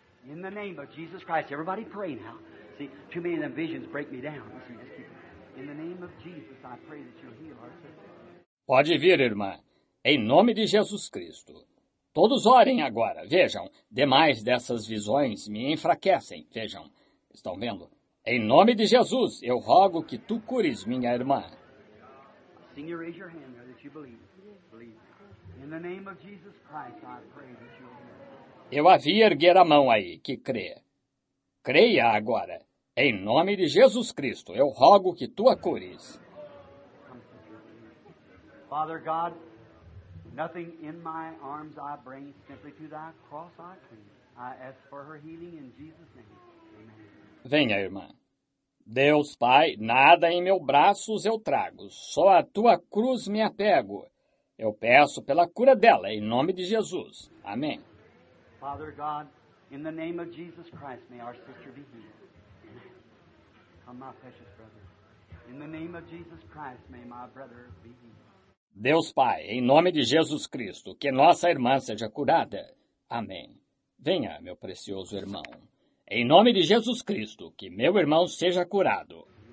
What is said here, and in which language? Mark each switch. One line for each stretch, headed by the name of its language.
English: In the name of Jesus Christ, everybody pray now. See, too many of them visions break me down. In the name of Jesus, I pray that you'll heal our sister.
Portuguese: Pode vir, irmã. Em nome de Jesus Cristo. Todos orem agora. Vejam, demais dessas visões me enfraquecem. Vejam, estão vendo? Em nome de Jesus, eu rogo que tu cures minha irmã.
English: Sim, you raise your hand there that you believe. Believe. In the name of Jesus Christ, I pray that you will.
Portuguese: Eu a vi erguer a mão aí, que crê. Creia agora. Em nome de Jesus Cristo, eu rogo que tu a cures.
English: Father God, nothing in my arms I bring, simply to thy cross I cling. I ask for her healing in Jesus' name. Amen.
Portuguese: Venha, irmã. Deus, Pai, nada em meus braços eu trago. Só a tua cruz me apego. Eu peço pela cura dela, em nome de Jesus. Amém.
English: Father God, in the name of Jesus Christ, may our sister be healed. Amen. Come, my precious brother. In the name of Jesus Christ, may my brother be healed.
Portuguese: Deus Pai, em nome de Jesus Cristo, que nossa irmã seja curada. Amém. Venha, meu precioso irmão. Em nome de Jesus Cristo, que meu irmão seja curado.